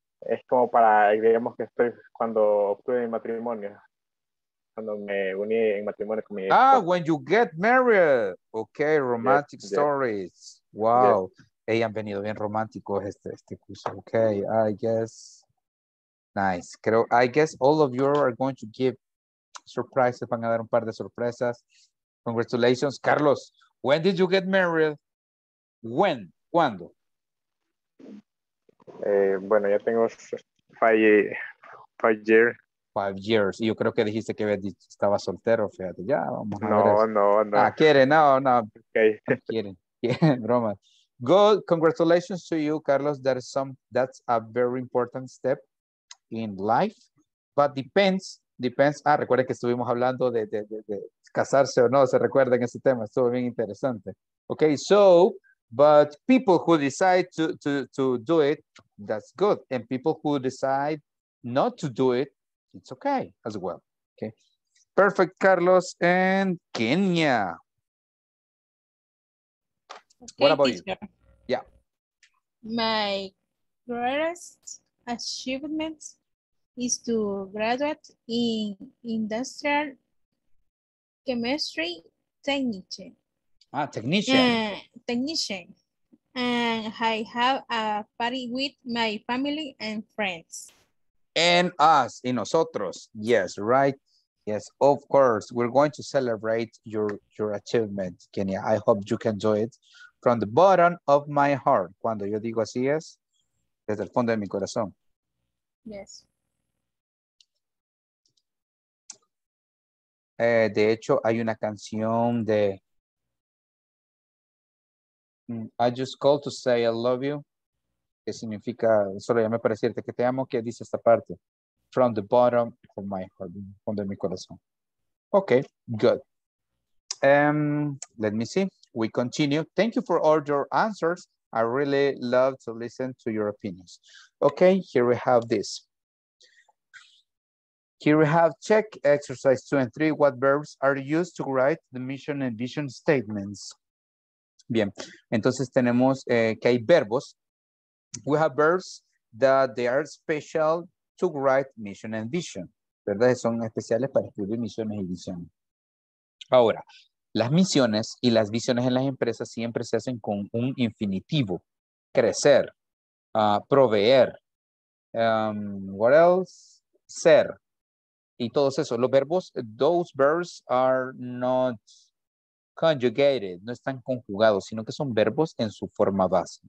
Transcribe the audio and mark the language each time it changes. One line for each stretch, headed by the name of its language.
Spanish: Es como para, digamos que estoy cuando obtuve mi matrimonio, cuando me uní en matrimonio con mi esposa.
English: Ah, when you get married. Okay, romantic stories.
Spanish: Wow, hey, han venido bien románticos este curso.
English: Okay, I guess. Nice. I guess all of you are going to give surprises.
Spanish: Van a dar un par de sorpresas.
English: Congratulations. Carlos, when did you get married? When?
Spanish: ¿Cuándo? Bueno, ya tengo
English: five years. 5 years.
Spanish: Y yo creo que dijiste que estaba soltero. Fíjate, ya vamos a ver. No. Ah, quiere, no.
English: Okay.
Spanish: Quieren, broma.
English: Good. Congratulations to you, Carlos. That's a very important step in life, but depends.
Spanish: Ah, recuerden que estuvimos hablando de casarse o no, se recuerden ese tema, estuvo bien interesante.
English: Okay, so, but people who decide to do it, that's good. And people who decide not to do it, it's okay as well. Okay, perfect, Carlos and Kenya. Okay, what about teacher. You? Yeah. My greatest achievement is to graduate in industrial chemistry technician. Ah, technician. Technician. And I have a party with my family and friends. And us,
Spanish: y nosotros.
English: Yes, right? Yes, of course. We're going to celebrate your achievement, Kenya. I hope you can do it from the bottom of my heart.
Spanish: Cuando yo digo así es, desde el fondo de mi corazón.
English: Yes.
Spanish: De hecho, hay una canción de
English: I just called to say I love you,
Spanish: que significa, solo llamé para decirte que te amo, que dice esta parte,
English: from the bottom of my heart,
Spanish: from the mi corazón.
English: Okay, good. Let me see, we continue. Thank you for all your answers. I really love to listen to your opinions. Okay, here we have this. Here we have check exercise 2 and 3. What verbs are used to write the mission and vision statements?
Spanish: Bien, entonces tenemos que hay verbos.
English: We have verbs that they are special to write mission and vision.
Spanish: ¿Verdad? Son especiales para escribir misiones y visión. Ahora, las misiones y las visiones en las empresas siempre se hacen con un infinitivo. Crecer, proveer,
English: what else?
Spanish: Ser. Y todos esos, los verbos,
English: those verbs are not conjugated,
Spanish: no están conjugados, sino que son verbos en su forma base.